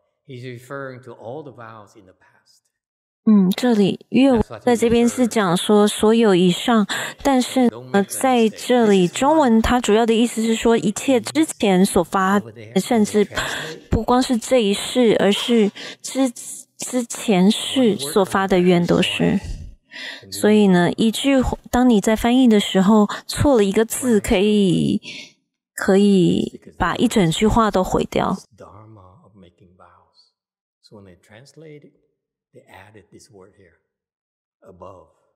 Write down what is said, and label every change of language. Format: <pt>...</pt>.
<en>He's referring to all the vows in the past.</en> <zh>这里粤文在这边是讲说所有以上，但是在这里中文它主要的意思是说一切之前所发，甚至不光是这一世，而是之前世所发的愿都是。所以呢，一句当你在翻译的时候错了一个字，可以把一整句话都毁掉。</zh> <en>Dharma of making vows. So when they translated, they added this word here above.</en>